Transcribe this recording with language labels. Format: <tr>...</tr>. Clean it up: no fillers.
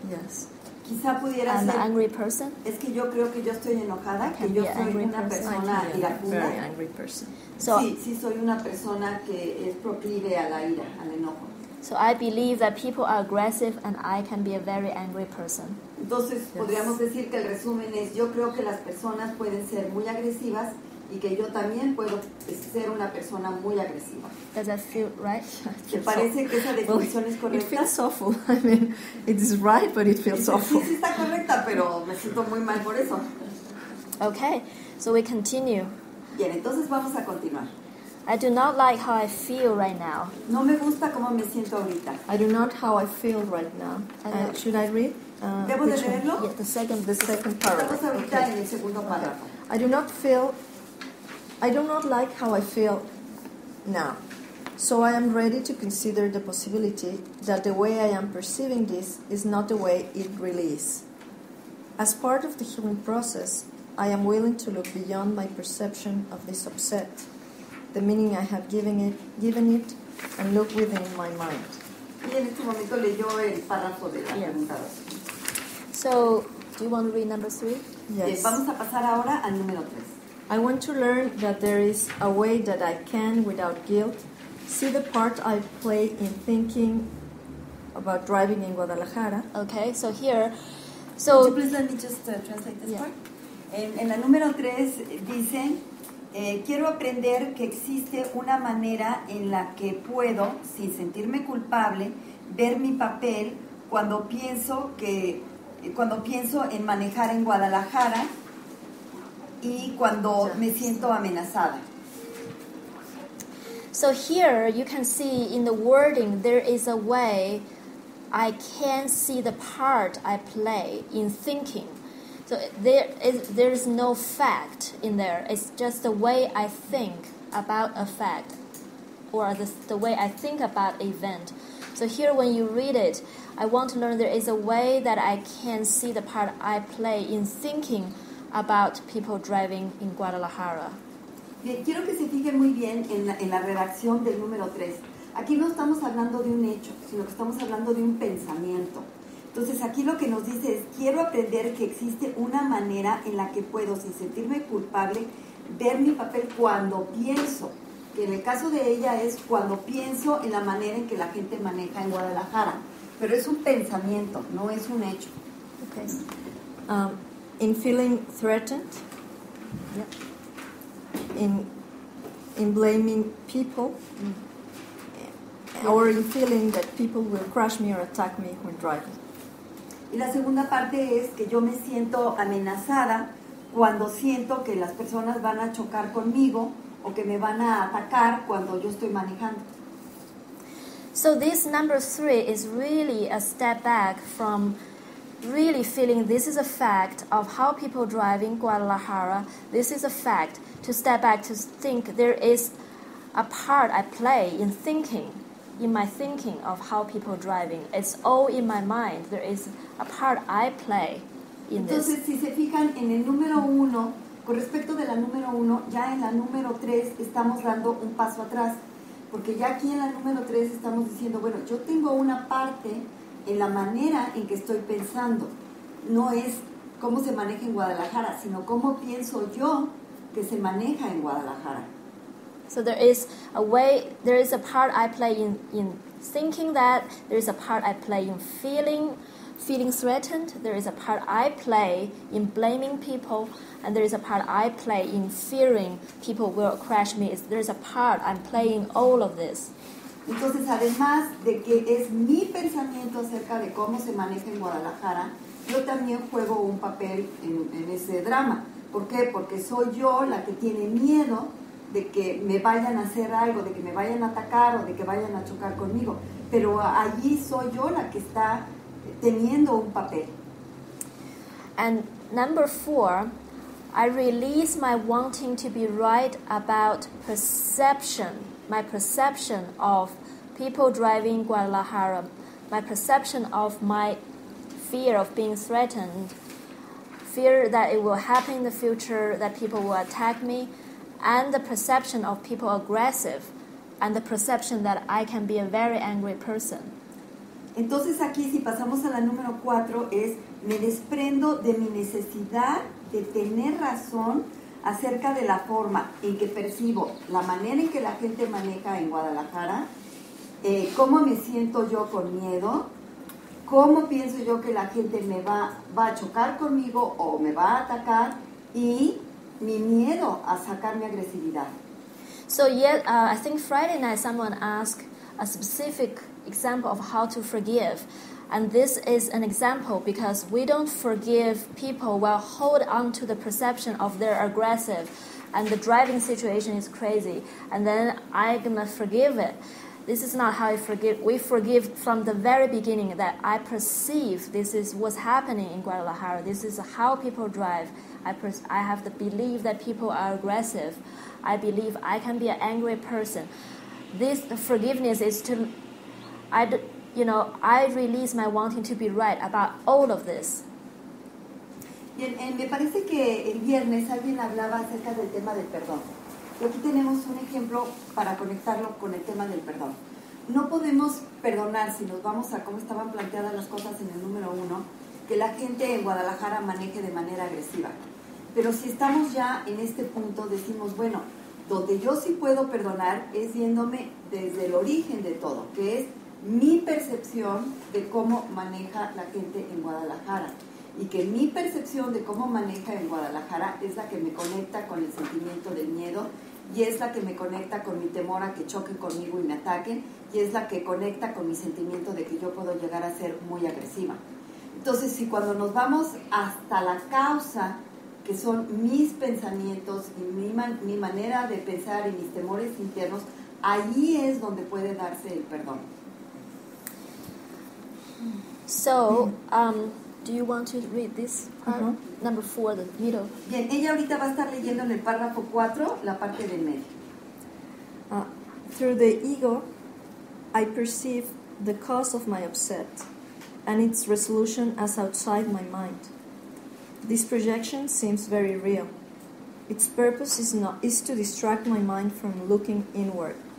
<en>Yes.</en> <es>Quizá pudiera</es> <en>I'm</en> <es>ser.</es> <en>An angry person.</en> <es>Es que yo creo que yo estoy enojada, que yo soy una persona iracunda.</es> <en>Very angry person. So,</en> <es>sí, soy una persona que es proclive a la ira, al enojo.</es> <en>So I believe that people are aggressive and I can be a very angry person.</en> <es>Entonces,</es> <en>yes,</en> <es>podríamos decir que el resumen es, yo creo que las personas pueden ser muy agresivas y que yo también puedo ser una persona muy agresiva.</es> <en>Does that feel right?</en> <es>¿Te parece que esa definición es correcta?</es> <en>It feels awful. I mean, it is right, but it feels awful.</en> <es>Sí, está correcta, pero me siento muy mal por eso.</es> <en>Okay, so we continue.</en> <es>Bien, entonces vamos a continuar.</es> <en>I do not like how I feel right now.</en> <es>No me gusta cómo me siento ahorita.</es> <en>I do not how I feel right now. Should I read?</en> <es>¿Debo de leerlo?</es> <en>Yes, the second paragraph.</en> <es>Estamos ahorita en el segundo párrafo.</es> <en>I do not feel. I do not like how I feel now. So I am ready to consider the possibility that the way I am perceiving this is not the way it really is. As part of the healing process, I am willing to look beyond my perception of this upset, the meaning I have given it, and look within my mind.</en> <es>Y en este momento leyó el párrafo de la pregunta.</es> <en>So, do you want to read number 3? Yes.</en> <es>Vamos a pasar ahora al número 3.</es> <en>I want to learn that there is a way that I can, without guilt, see the part I play in thinking about driving in Guadalajara. Okay, so here... So, could you please let me just translate this part?</en> <es>En la número 3 dice... quiero aprender que existe una manera en la que puedo, sin sentirme culpable, ver mi papel cuando pienso en manejar en Guadalajara y cuando me siento amenazada.</es> <en>So here you can see in the wording there is a way I can see the part I play in thinking. So there is no fact in there. It's just the way I think about a fact or the way I think about event. So here when you read it, I want to learn there is a way that I can see the part I play in thinking about people driving in Guadalajara.</en> <es>Bien, quiero que se fijen muy bien en la redacción del número 3. Aquí no estamos hablando de un hecho, sino que estamos hablando de un pensamiento. Entonces aquí lo que nos dice es, quiero aprender que existe una manera en la que puedo, sin sentirme culpable, ver mi papel cuando pienso, que en el caso de ella es cuando pienso en la manera en que la gente maneja en Guadalajara. Pero es un pensamiento, no es un hecho.</es> <en>Okay. In feeling threatened, in blaming people, or in feeling that people will crush me or attack me when driving.</en> <es>Y la segunda parte es que yo me siento amenazada cuando siento que las personas van a chocar conmigo o que me van a atacar cuando yo estoy manejando.</es> <en>So this number 3 is really a step back from really feeling this is a fact of how people drive in Guadalajara. This is a fact to step back to think there is a part I play in thinking. In my thinking of how people driving, it's all in my mind. There is a part I play in this.</en> <es>Entonces, si se fijan en el número uno, con respecto de la número uno, ya en la número tres estamos dando un paso atrás, porque ya aquí en la número tres estamos diciendo, bueno, yo tengo una parte en la manera en que estoy pensando. No es cómo se maneja en Guadalajara, sino cómo pienso yo que se maneja en Guadalajara.</es> <en>So there is a way, there is a part I play in thinking that, there is a part I play in feeling threatened, there is a part I play in blaming people, and there is a part I play in fearing people will crash me. There is a part I'm playing all of this.</en> <es>Entonces, además de que es mi pensamiento acerca de cómo se maneja en Guadalajara, yo también juego un papel en ese drama. ¿Por qué? Porque soy yo la que tiene miedo de que me vayan a hacer algo, de que me vayan a atacar o de que vayan a chocar conmigo. Pero allí soy yo la que está teniendo un papel.</es> <en>And number four, I release my wanting to be right about perception. My perception of people driving Guadalajara, my perception of my fear of being threatened, fear that it will happen in the future, that people will attack me, and the perception of people aggressive, and the perception that I can be a very angry person.</en> <es>Entonces aquí, si pasamos a la número cuatro, es me desprendo de mi necesidad de tener razón acerca de la forma en que percibo, la manera en que la gente maneja en Guadalajara, cómo me siento yo con miedo, cómo pienso yo que la gente me va a chocar conmigo o me va a atacar, y mi miedo a sacar mi agresividad.</es> <en>So yeah, I think Friday night someone asked a specific example of how to forgive. And this is an example because we don't forgive people while hold on to the perception of they're aggressive and the driving situation is crazy and then I'm gonna forgive it. This is not how we forgive. We forgive from the very beginning that I perceive this is what's happening in Guadalajara. This is how people drive. I have the belief that people are aggressive. I believe I can be an angry person. This forgiveness is to... You know, I release my wanting to be right about all of this.</en> <es>Bien, me parece que el viernes alguien hablaba acerca del tema del perdón. Y aquí tenemos un ejemplo para conectarlo con el tema del perdón. No podemos perdonar, si nos vamos a cómo estaban planteadas las cosas en el número uno, que la gente en Guadalajara maneje de manera agresiva. Pero si estamos ya en este punto, decimos, bueno, donde yo sí puedo perdonar es viéndome desde el origen de todo, que es mi percepción de cómo maneja la gente en Guadalajara y que mi percepción de cómo maneja en Guadalajara es la que me conecta con el sentimiento del miedo y es la que me conecta con mi temor a que choquen conmigo y me ataquen y es la que conecta con mi sentimiento de que yo puedo llegar a ser muy agresiva. Entonces, si cuando nos vamos hasta la causa, que son mis pensamientos y mi manera de pensar y mis temores internos, allí es donde puede darse el perdón.</es> <en>So, do you want to read this part, number four, the middle?</en> <es>Bien, ella ahorita va a estar leyendo en el párrafo cuatro, la parte del medio.</es> <en>Through the ego, I perceive the cause of my upset and its resolution as outside my mind. This projection seems very real. Its purpose is to distract my mind from looking inward.</en>